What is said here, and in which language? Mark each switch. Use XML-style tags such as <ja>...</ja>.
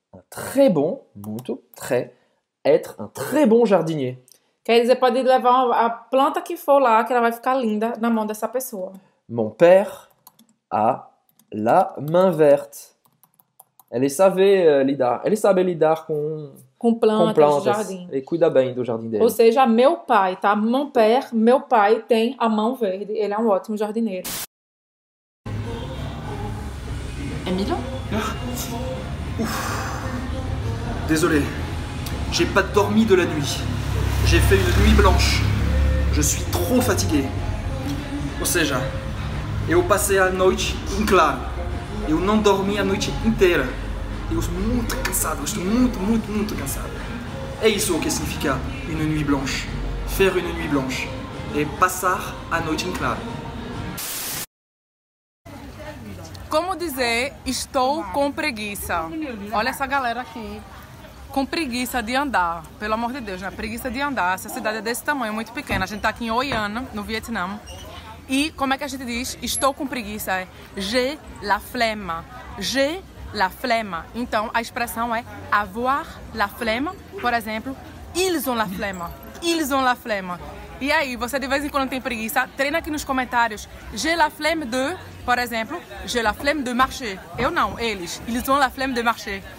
<fr>très bon, muito, très, être un très bon jardinier.</fr> <pt>Quer dizer, pode levar a planta que for lá, que ela vai ficar linda na mão dessa pessoa.</pt> <fr>Mon père a la main verte.</fr> <pt>Ele sabe lidar com plantas, jardim. E cuida bem do jardim dele. Ou seja, meu pai, tá?</pt> <fr>Mon père,</fr> <pt>meu pai tem a mão verde. Ele é um ótimo jardineiro. Emilio?</pt> <fr>Désolé, j'ai pas dormi de la nuit. J'ai fait une nuit blanche. Je suis trop fatigué.</fr> <pt>Ou seja, eu passei a noite em claro. Eu não dormi a noite inteira. Eu estou muito cansado, eu estou muito, muito, muito cansado. É isso o que significa</pt> <fr>une nuit blanche. Faire une nuit blanche.</fr> <pt>E passar a noite em claro. Como dizer estou com preguiça? Olha essa galera aqui. Com preguiça de andar, pelo amor de Deus, né? Preguiça de andar, essa cidade é desse tamanho, muito pequena. A gente tá aqui em Hoi An, no Vietnã. E como é que a gente diz? Estou com preguiça. É</pt> <fr>j'ai la flemme. J'ai la flemme.</fr> <pt>Então, a expressão é</pt> <fr>avoir la flemme.</fr> <pt>Por exemplo,</pt> <fr>ils ont la flemme. Ils ont la flemme.</fr> <pt>E aí, você de vez em quando tem preguiça, treina aqui nos comentários.</pt> <fr>J'ai la flemme de, por exemplo, j'ai la flemme de marcher.</fr> <pt>Eu não, eles.</pt> <fr>Ils ont la flemme de marcher.</fr>